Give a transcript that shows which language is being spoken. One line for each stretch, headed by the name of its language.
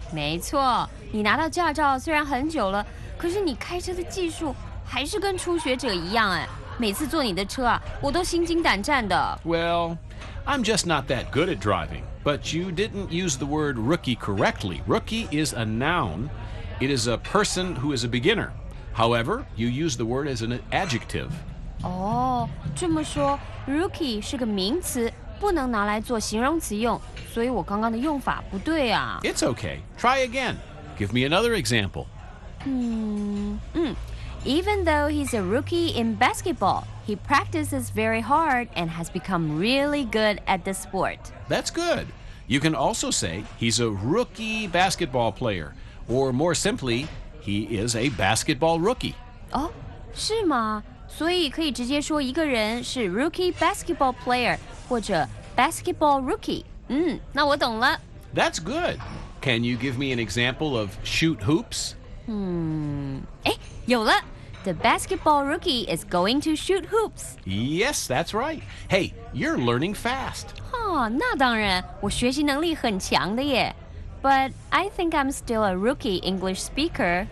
Chinese: 没错，你拿到驾照虽然很久了，可是你开车的技术还是跟初学者一样哎。每次坐你的车啊，我都心惊胆战的。
English: Well, I'm just not that good at driving. But you didn't use the word rookie correctly. Rookie is a noun. It is a person who is a beginner. However, you use the word as an adjective.
Chinese: Oh, 这么说 rookie 是个名词，不能拿来做形容词用，所以我刚刚的用法不对啊。
English: It's okay. Try again. Give me another example. Even though he's a rookie in basketball, he practices very hard and has become really good at the sport. That's good. You can also say he's a rookie basketball player. Or more simply, he is a basketball rookie.
Chinese: Oh, 是吗？所以可以直接说一个人是 rookie basketball player 或者 basketball rookie. 那我懂了。
English: That's good. Can you give me an example of shoot hoops?
Chinese: 有了。
English: The basketball rookie is going to shoot hoops. Yes, that's right. Hey, you're learning fast.
Chinese: 哦，那当然，我学习能力很强的耶。
English: But I think I'm still a rookie English speaker.